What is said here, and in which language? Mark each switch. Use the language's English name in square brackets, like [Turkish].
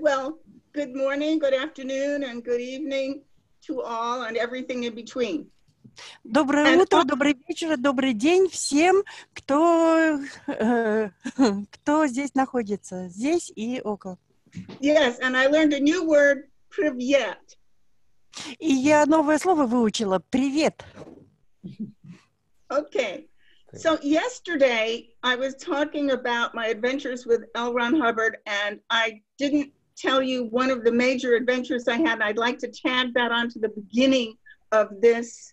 [English] Well, good morning, good afternoon, and good evening to all and everything in between. [Russian] Доброе утро, добрый вечер, добрый день всем, кто здесь находится, здесь и около. [English] Yes, and I learned a new word, привет. [Russian] И я новое слово выучила, привет. [English] Okay, so yesterday I was talking about my adventures with L. Ron Hubbard, and I didn't tell you one of the major adventures I had. I'd like to tag that onto the beginning of this